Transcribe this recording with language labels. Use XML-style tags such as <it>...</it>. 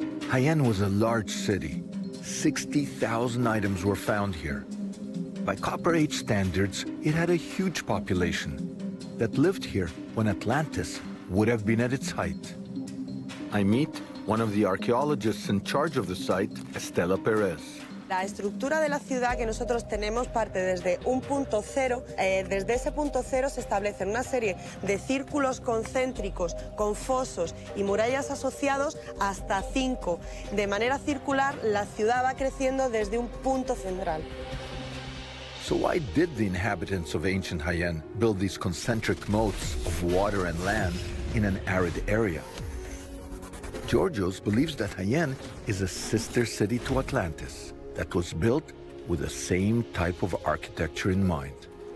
<en>Hayan was a large city. 60,000 items were found here. By Copper Age standards, it had a huge population that lived here when Atlantis would have been at its height. I meet one of the archaeologists in charge of the site, Estela Perez.</en> <es>La estructura de la ciudad que nosotros tenemos parte desde un punto cero. Desde ese punto cero se establecen una serie de círculos concéntricos con fosos y murallas asociados hasta 5. De manera circular, la ciudad va creciendo desde un punto central.</es> <en>So why did the inhabitants of ancient Hayan build these concentric moats of water and land in an arid area? Georgios believes that Hayan is a sister city to Atlantis that was built with the same type of architecture in mind.</en>